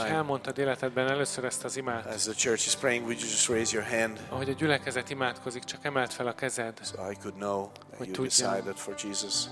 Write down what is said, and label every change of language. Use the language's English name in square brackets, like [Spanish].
[Hungarian] És hogyha elmondtad életedben először ezt az imát. [English] As the church is praying, would you just raise your hand? [Hungarian] Ahogy a gyülekezet imádkozik, csak emeld fel a kezed. [English] So I could know that you decided for Jesus.